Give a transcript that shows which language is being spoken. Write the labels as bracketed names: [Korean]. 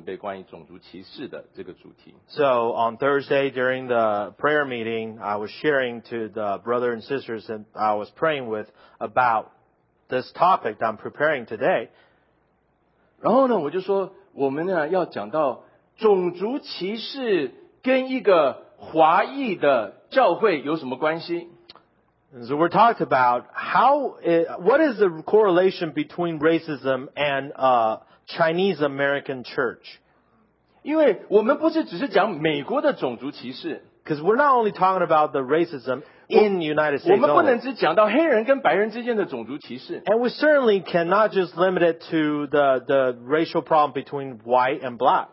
[Chinese] 我礼拜四的时候，我们祷告会小组里面，我跟我一起祷告的这两位弟兄姐妹，我跟他们说，我这周准备关于种族歧视的这个主题。 [English] So on Thursday during the prayer meeting, I was sharing to the brother and sisters that I was praying with about this topic that I'm preparing today. [Chinese] 然后呢，我就说。我们呢要讲到种族歧视跟一个华裔的教会有什么关系？ [English] So we're talking about what is the correlation between racism and Chinese American church? [Chinese] 因为我们不是只是讲美国的种族歧视。 [English] Because we're not only talking about the racism in the United States. [Chinese] 我们不能只讲到黑人跟白人之间的种族歧视。 [English] And we certainly cannot just limit it to the racial problem between white and black.